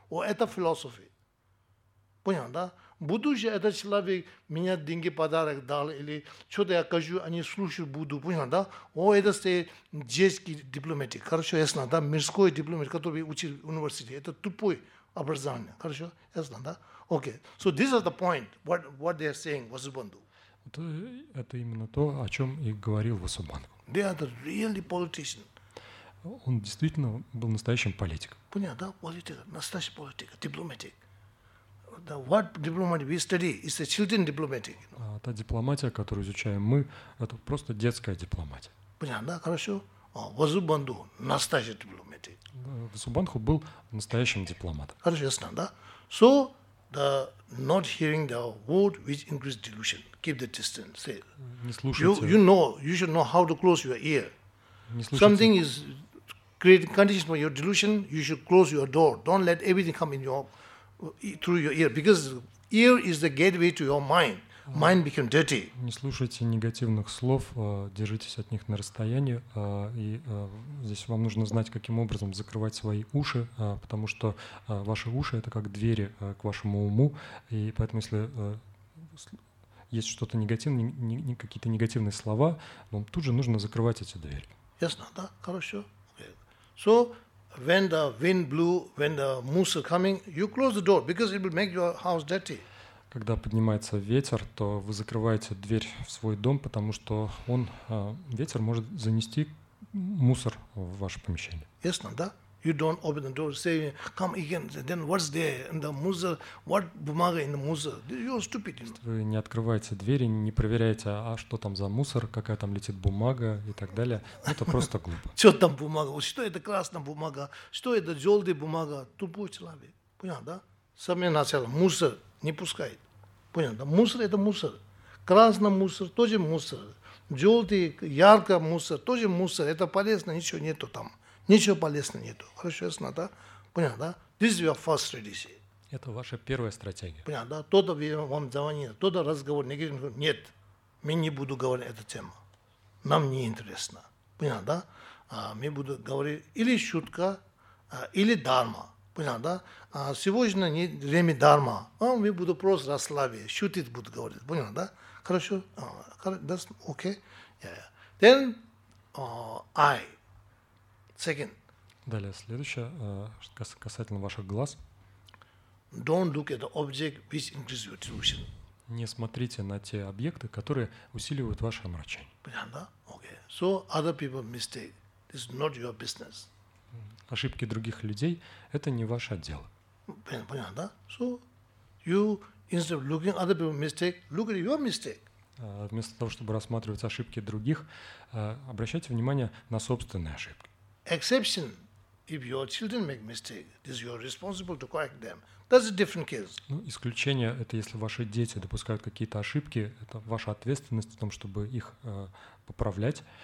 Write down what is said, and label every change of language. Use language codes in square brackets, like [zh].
[ru] О, это философия. Понял, да? Будущее этот человек меня деньги, подарок дал, или что-то я кажу, они слушают буду. Понял, да? О, это детский дипломатик. Хорошо, ясно, да? Мирской дипломатик, который учил в университете. Это тупое образование. Хорошо, ясно, да? Окей. Okay. [en] So this is the point, what they are saying, Vasubandhu. [ru] Это именно то, о чем и говорил Васубандху. [en] They are the really politician. [ru] Он действительно был настоящим политиком. Понял, да? Политик, настоящий политик, дипломатик. [en] The what diplomat we study is a children diplomatic. [ru] А та дипломатия, которую изучаем мы, это просто детская дипломатия. Понял, да? Хорошо. Васубандху настоящий дипломатик. Васубандху был настоящим дипломатом. Хорошо, ясно, да? [en] So the not hearing the word which increase delusion. Keep the distance. Say, you should know how to close your ear. Something is creating conditions for your delusion. You should close your door. Don't let everything come in through your ear, because ear is the gateway to your mind. Mind became dirty. [ru] Не слушайте негативных слов, держитесь от них на расстоянии. И здесь вам нужно знать, каким образом закрывать свои уши, потому что ваши уши — это как двери к вашему уму. И поэтому, если есть что-то негативное, какие-то негативные слова, вам тут же нужно закрывать эти двери. Ясно, да, хорошо. [en] So, when the wind blew, when the moose is coming, you close the door, because it will make your house dirty. [ru] Когда поднимается ветер, то вы закрываете дверь в свой дом, потому что он, ветер может занести мусор в ваше помещение. [en] Yes, no, да? You don't open the door, say, come again, then what's there in the [ru] мусор? [en] What [ru] бумага [en] in the [ru] мусор? [en] You're stupid. [ru] Вы не открываете двери, не проверяете, а что там за мусор, какая там летит бумага и так далее. Это просто глупо. Что там бумага? Что это красная бумага? Что это желтая бумага? Тупой человек. Понял, да? Сами начали. Мусор. Не пускает. Понял, да? Мусор — это мусор. Красный мусор — тоже мусор. Желтый, яркий мусор — тоже мусор. Это полезно, ничего нету там. Ничего полезного нету. Хорошо, ясно, да? Понял, да? [en] This is your first strategy. [ru] Это ваша первая стратегия. Понял, да? Кто-то вам звонит, кто-то разговор, нет, мы не буду говорить эту тему. Нам не интересно. Понял, да? Мы будем говорить или шутка, или дарма. Понял, да? Сегодня не время дарма. Мы будем просто расслабить, шутить будут говорить. Понял, да? Хорошо? [en] That's okay. Yeah. Then I. Second. [ru] Далее, следующее, касательно ваших глаз. [en] Don't look at the object which increases your delusion. [ru] Не смотрите на те объекты, которые усиливают ваше омрачение. Понял, да? [en] Okay. So other people mistake. This is not your business. [ru] Ошибки других людей — это не ваше дело. Понятно, да? [en] So, you, instead of looking at other people's mistake, look at your mistake. [ru] Вместо того, чтобы рассматривать ошибки других, обращайте внимание на собственные ошибки. [en] Exception, if your children make mistake, is your responsible to correct them. That's a different case. [ru] Ну, исключение — это если ваши дети допускают какие-то ошибки, это ваша ответственность в том, чтобы их поправлять.